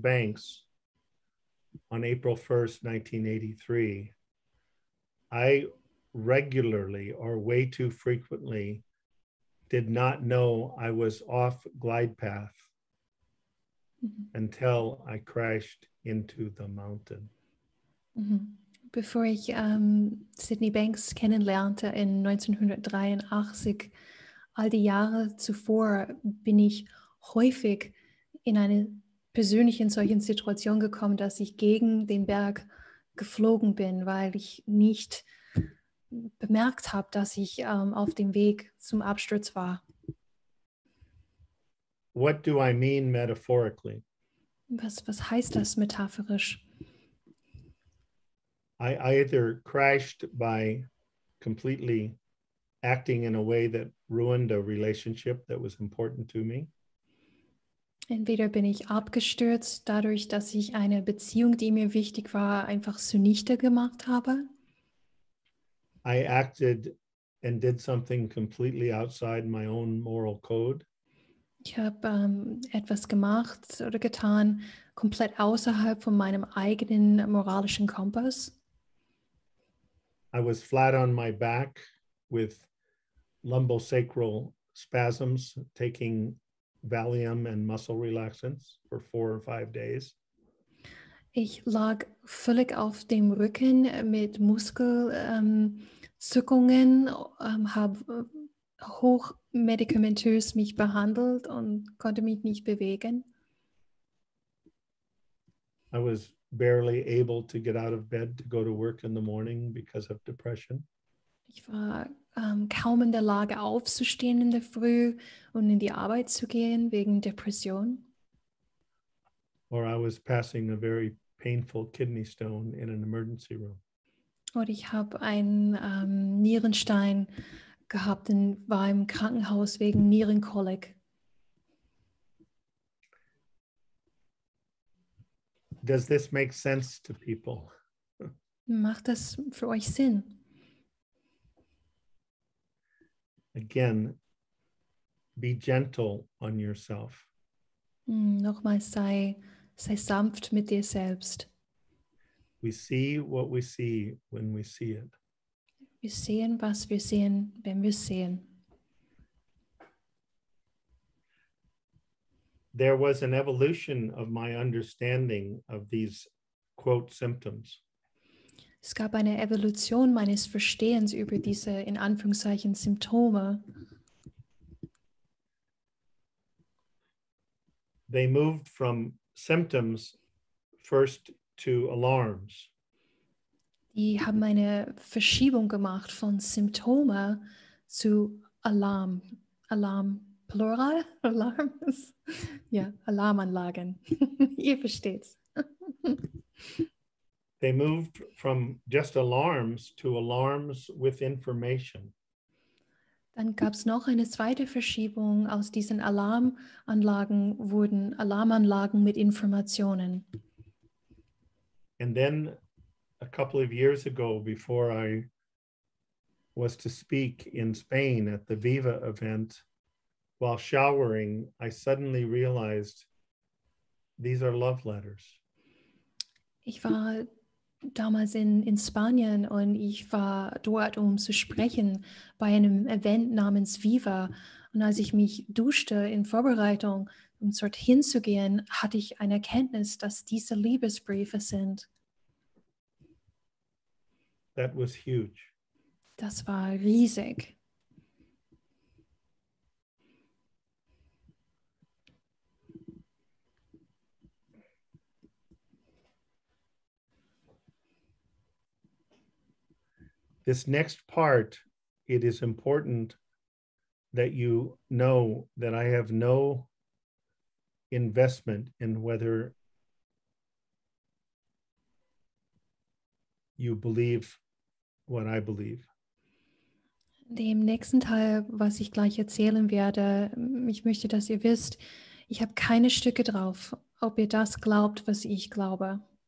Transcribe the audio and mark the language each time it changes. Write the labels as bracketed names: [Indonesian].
[English] Banks on April 1st, 1983, I regularly or way too frequently did not know I was off glide path until I crashed into the mountain. [German] Bevor ich Sydney Banks kennenlernte in 1983, all die Jahre zuvor bin ich häufig in eine persönliche solche Situation gekommen, dass ich gegen den Berg geflogen bin, weil ich nicht bemerkt habe, dass ich auf dem Weg zum Absturz war. [English] What do I mean metaphorically? [German] Was heißt das metaphorisch? [English] I either crashed by completely acting in a way that ruined a relationship that was important to me. [German] Entweder bin ich abgestürzt dadurch, dass ich eine Beziehung, die mir wichtig war, einfach zunichte gemacht habe. [English] I acted and did something completely outside my own moral code. [German] Ich habe etwas gemacht oder getan, komplett außerhalb von meinem eigenen moralischen Kompass. [English] I was flat on my back with lumbosacral spasms, taking Valium and muscle relaxants for 4 or 5 days. [German] Ich lag völlig auf dem Rücken mit Muskelzuckungen, habe hochmedikamentös mich behandelt und konnte mich nicht bewegen. [English] I was barely able to get out of bed to go to work in the morning because of depression. [German] Ich war kaum in der Lage aufzustehen in der Früh und in die Arbeit zu gehen wegen Depression. [English] Or I was passing a very painful kidney stone in an emergency room. [German] Oder ich habe einen Nierenstein gehabt und war im Krankenhaus wegen Nierenkolik. [English] Does this make sense to people? [German] Macht das für euch Sinn? [English] Again, be gentle on yourself. [German] Nochmal, sei sanft mit dir selbst. [English] We see what we see when we see it. [German] Wir sehen, was wir sehen, wenn wir sehen. [English] There was an evolution of my understanding of these quote symptoms. [German] Es gab eine Evolution meines Verstehens über diese in Anführungszeichen Symptome. [English] They moved from symptoms first to alarms. [German] Die haben eine Verschiebung gemacht von Symptome zu Alarm. Alarm. Plural? [English] Alarms? [German] Ja, Alarmanlagen. Ihr versteht's. [English] They moved from just alarms to alarms with information. [German] Dann gab's noch eine zweite Verschiebung. Aus diesen Alarmanlagen wurden Alarmanlagen mit Informationen. [English] And then a couple of years ago, before I was to speak in Spain at the Viva event, while showering, I suddenly realized these are love letters. [German] Ich war damals in Spanien und ich war dort, um zu sprechen bei einem Event namens Viva. Und als ich mich duschte in Vorbereitung, um dorthin zu gehen, hatte ich eine Erkenntnis, dass diese Liebesbriefe sind. [English] That was huge. [German] Das war riesig. [English] This next part, it is important that you know that I have no investment in whether you believe what I believe. [German] Dem nächsten Teil, was ich gleich erzählen werde, ich möchte, dass ihr wisst, ich habe keine Stücke drauf, ob ihr das glaubt, was ich glaube.